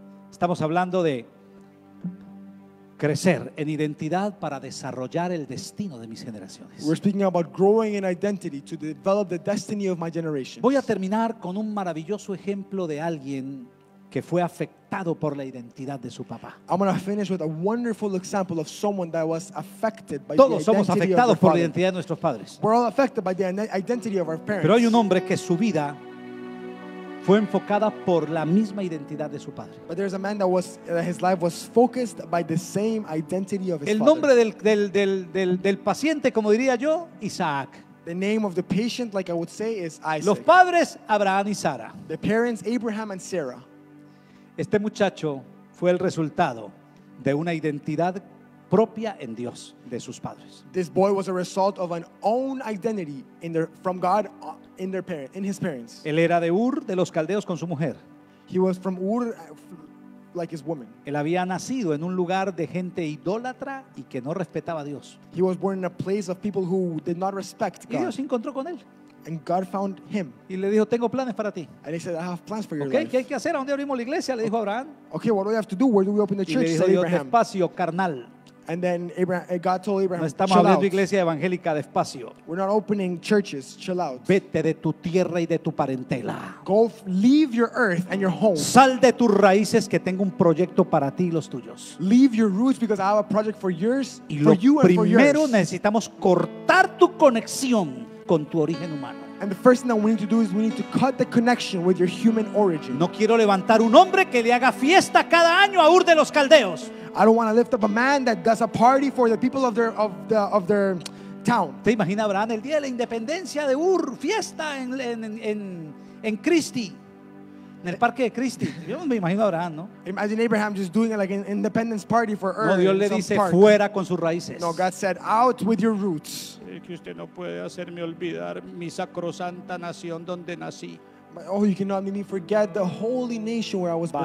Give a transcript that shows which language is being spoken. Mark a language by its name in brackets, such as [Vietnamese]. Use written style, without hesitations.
[Spanish] Estamos hablando de crecer en identidad para desarrollar el destino de mis generaciones. [English] We're speaking about growing in identity to develop the destiny of my generation. [Spanish] Voy a terminar con un maravilloso ejemplo de alguien que fue afectado por la identidad de su papá. [English] I'm going to finish with a wonderful example of someone that was affected by [Spanish] Todos somos afectados por la identidad de nuestros padres. [English] We're all affected by the identity of our parents. [Spanish] Pero hay un hombre que su vida fue enfocada por la misma identidad de su padre. [English] But there's a man that was his life was focused by the same identity of his father. [Spanish] El nombre del paciente, como diría yo, Isaac. [English] The name of the patient, like I would say, is Isaac. [Spanish] Los padres, Abraham y Sara. [English] The parents, Abraham and Sarah. [Spanish] Este muchacho fue el resultado de una identidad propia en Dios de sus padres. [English] This boy was a result of an own identity from God in his parents. [Spanish] Él era de Ur de los Caldeos con su mujer. [English] He was from Ur like his woman. [Spanish] Él había nacido en un lugar de gente idólatra y que no respetaba a Dios. [English] He was born in a place of people who did not respect God. [Spanish] Y Dios se encontró con él. [English] And God found him. [Spanish] Y le dijo, tengo planes para ti. [English] And he said, I have plans for your okay, life. [Spanish] ¿Qué hay que hacer? ¿A dónde abrimos la iglesia? Le dijo Abraham. [English] Okay, what do we have to do? Where do we open the church? [Spanish] Y le dijo, [English] said Abraham. [Spanish] Despacio, carnal. [English] And then God told Abraham, [Spanish] no estamos abriendo iglesia evangélica despacio. [English] We're not opening churches. Chill out. [Spanish] Vete de tu tierra y de tu parentela. [English] Go leave your earth and your home. [Spanish] Sal de tus raíces que tengo un proyecto para ti y los tuyos. [English] Leave your roots because I have a project for yours, [Spanish] y lo [English] for you and [Spanish] primero [English] for yours. [Spanish] Necesitamos cortar tu conexión con tu origen humano. [English] And the first thing that we need to do is we need to cut the connection with your human origin. [Spanish] No quiero levantar un hombre que le haga fiesta cada año a Ur de los Caldeos. [English] I don't want to lift up a man that does a party for the people of their town. [Spanish] ¿Te imaginas Abraham el día de la independencia de Ur, fiesta en Christie, en el parque de Christie? Yo me imagino a Abraham, ¿no? [English] Imagine Abraham just doing like an independence party for Ur. [Spanish] No, Dios le dice fuera con sus raíces. [English] No, God said out with your roots. [Spanish] Que usted no puede hacerme olvidar mi sacrosanta nación donde nací. [English] Oh, you cannot make me forget the holy nation where I was born.